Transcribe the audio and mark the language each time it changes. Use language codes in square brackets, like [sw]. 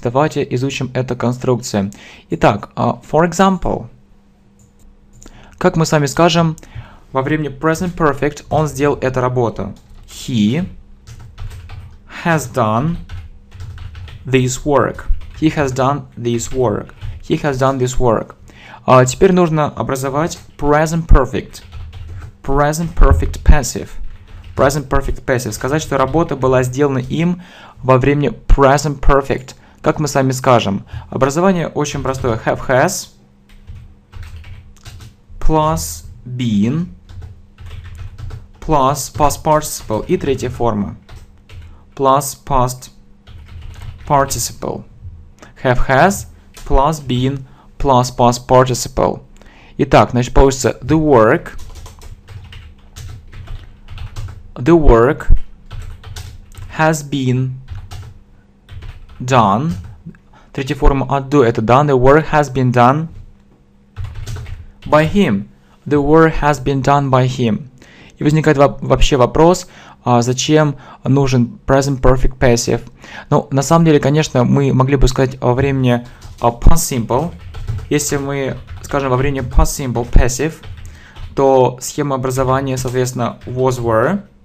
[ru] Давайте изучим эту конструкцию. Итак, [en] for example. [ru] Как мы с вами скажем, во времени present perfect он сделал эту работу. [en] He has done this work. He has done this work. He has done this work. [ru] Теперь нужно образовать present perfect. [en] Present perfect passive. Present perfect passive. [ru] Сказать, что работа была сделана им во времени present perfect. Как мы с вами скажем. Образование очень простое. [en] Have has plus been plus past participle. [ru] И третья форма. [en] Plus past participle. Have has plus been plus past participle. [ru] Итак, значит, получится [en] the work. The work has been done. [ru] Третья форма от do это done. [en] The work has been done by him. The work has been done by him. [ru] И возникает вообще вопрос, зачем нужен present perfect passive? Ну, на самом деле, конечно, мы могли бы сказать во времени past simple. Если мы скажем во времени past simple passive, то схема образования, соответственно, was were.